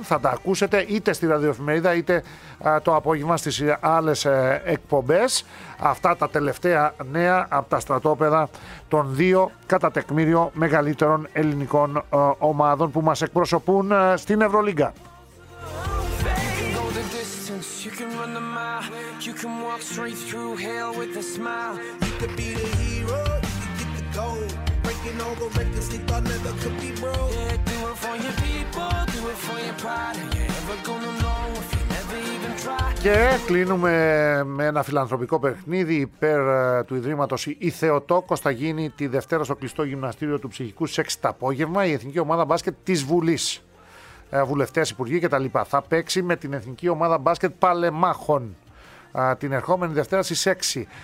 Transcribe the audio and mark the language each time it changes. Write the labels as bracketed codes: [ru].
[el] Θα τα ακούσετε είτε στη ραδιοεφημερίδα είτε το απόγευμα στις άλλες εκπομπές. Αυτά τα τελευταία νέα από τα στρατόπεδα των δύο κατά τεκμήριο μεγαλύτερων ελληνικών ομάδων που μας εκπροσωπούν στην Ευρωλίγκα. [en] You can run the mile, you can walk straight through hell with a smile. You could be the hero, you could get the gold. Breaking all the records they thought never could be broke. Yeah, do it for your people, do it for your pride. And you're never gonna know if you never even try. [el] Και κλείνουμε με ένα φιλανθρωπικό παιχνίδι υπέρ του Ιδρύματος Η Θεοτόκος. Θα γίνει τη Δευτέρα στο κλειστό γυμναστήριο του Ψυχικού στις 6 το απόγευμα η Εθνική Ομάδα Μπάσκετ της Βουλής. Βουλευτές, υπουργοί και τα λοιπά. Θα παίξει με την Εθνική Ομάδα Μπάσκετ Παλεμάχων την ερχόμενη Δευτέρα στις 6.